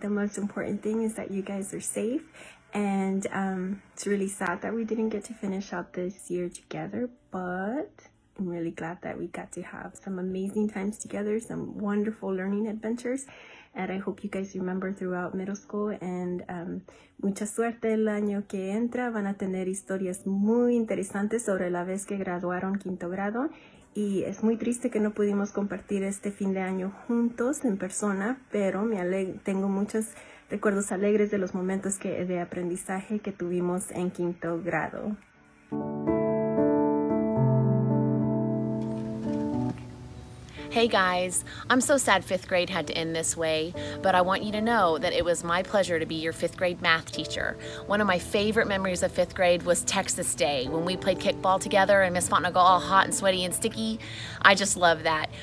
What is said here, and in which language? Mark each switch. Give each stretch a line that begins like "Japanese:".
English: The most important thing is that you guys are safe. And it's really sad that we didn't get to finish out this year together, but I'm really glad that we got to have some amazing times together, some wonderful learning adventures. And I hope you guys remember throughout middle school.
Spanish: And mucha suerte el año que entra. Van a tener historias muy interesantes sobre la vez que graduaron quinto grado. Y es muy triste que no pudimos compartir este fin de año juntos en persona. Pero tengo muchos recuerdos alegres de los momentos de aprendizaje que tuvimos en quinto grado.
English: Hey guys, I'm so sad fifth grade had to end this way, but I want you to know that it was my pleasure to be your fifth grade math teacher. One of my favorite memories of fifth grade was Texas Day when we played kickball together and Miss Fontenot got all hot and sweaty and sticky. I just love that.